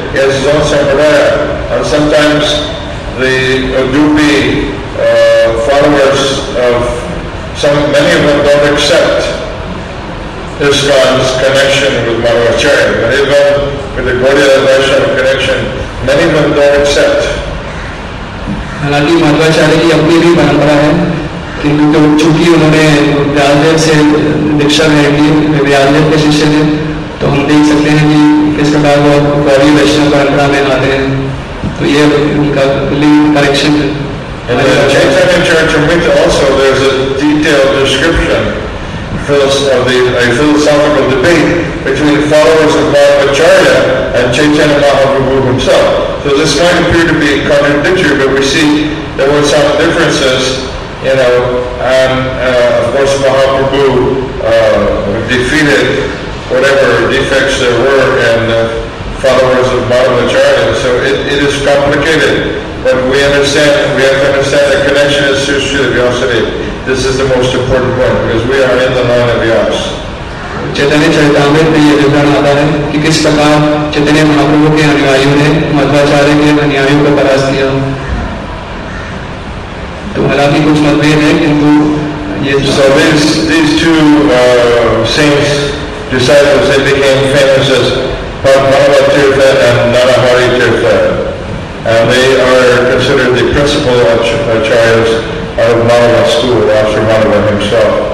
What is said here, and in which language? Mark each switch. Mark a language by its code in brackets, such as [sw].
[en] He has his own sampradaya. And sometimes the Udupi followers of some, many of them don't accept ISKCON's connection with Madhvacharya. Many of them, with the Gaudiya Vaishnava connection, many of them don't accept. [hi] हालांकि मध्वाचार्य की अपनी भी परंपरा है किंतु चूंकि उन्होंने व्यासदेव से दीक्षा ग्रहण की व्यासदेव के शिष्य थे तो हम देख सकते हैं कि किस प्रकार वो गौरी वैष्णव परंपरा में आते हैं तो ये उनका कनेक्शन है। [en] And in the Chaitanya Charitamrita also there's a detailed description of a philosophical debate between the followers of Madhvacharya and Chaitanya Mahaprabhu himself. So this might appear to be contradictory, but we see there were some differences, you know, and of course Mahaprabhu defeated whatever defects there were in the followers of Madhvacharya. So it is complicated. But we have to understand the connection is to Srila Vyasadeva. This is the most important point because we are in the line of Vyas. [hi] Chaitanya Charitamrita में ये विवरण आता है कि किस प्रकार चैतन्य महाप्रभु के अनुयायियों ने मध्वाचार्य के अनुयायियों को परास्त किया। तो हालांकि कुछ मतभेद हैं किंतु ये [en] So these two saints, disciples, they became famous as Padmanabha Tirtha and Narahari Tirtha. And they are considered the principal acharyas out of Madhava school, Ashram Madhava himself.